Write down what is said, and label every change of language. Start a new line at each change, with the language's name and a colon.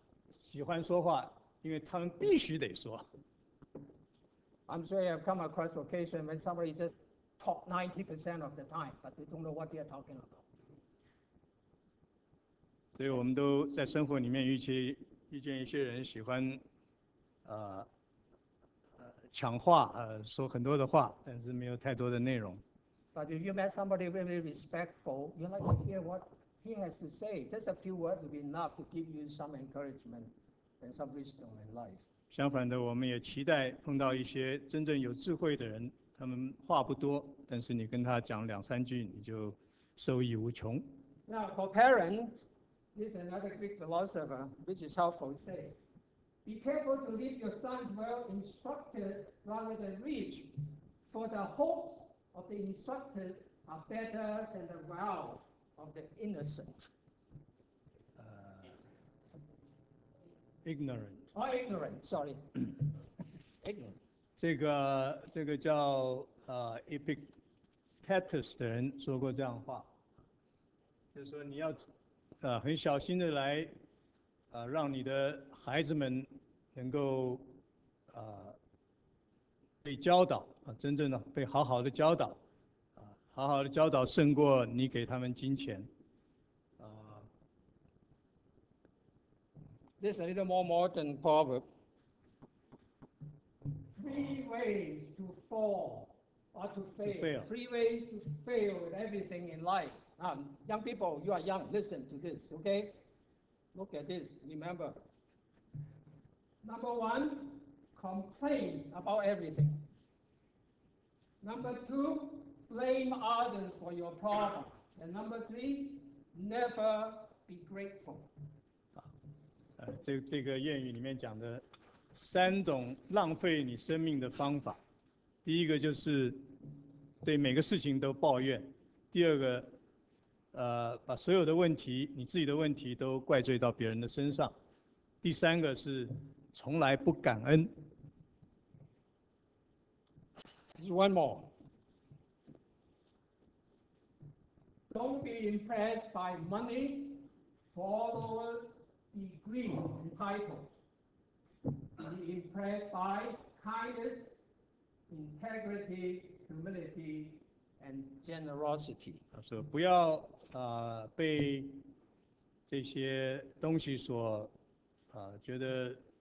Chinese: 喜欢说话，因为他们必须得说。
English: I'm sure you have come across occasion when somebody just talk 90% of the time, but they don't know what they are talking about.
Chinese: 所以我们都在生活里面遇见一些人喜欢，抢话，说很多的话，但是没有太多的内容。
English: But if you met somebody really respectful, you like to hear what he has to say. Just a few words would be enough to give you some encouragement and some wisdom in life.
Chinese: 相反的，我们也期待碰到一些真正有智慧的人，他们话不多，但是你跟他讲两三句，你就受益无穷。
English: Now, for parents, this is another Greek philosopher, which is helpful to say, be careful to leave your sons well instructed rather than rich, for the hopes. Of the instructed are better than the wealth of the innocent. Ignorant. Oh, ignorant. Sorry. ignorant.
Chinese: 这个叫Epictetus 的人说过这样的话，就是说你要很小心的来让你的孩子们能够被教导。真正的被好好的教导，好好的教导胜过你给他们金钱。
English: This is a little more modern proverb. Three ways to fall or to fail. To fail. Three ways to fail with everything in life. Young people, you are young. Listen to this, okay? Look at this. Remember. Number one, complain about everything. Number two, blame others for your problem. And number three, never be grateful.
Chinese: 这个谚语里面讲的三种浪费你生命的方法，第一个就是对每个事情都抱怨，第二个，把所有的问题，你自己的问题都怪罪到别人的身上，第三个是从来不感恩。
English: One more. Don't be impressed by money, followers, degree, and titles. Be impressed by kindness, integrity, humility, and generosity.
Chinese: 他说不要被这些东西所觉得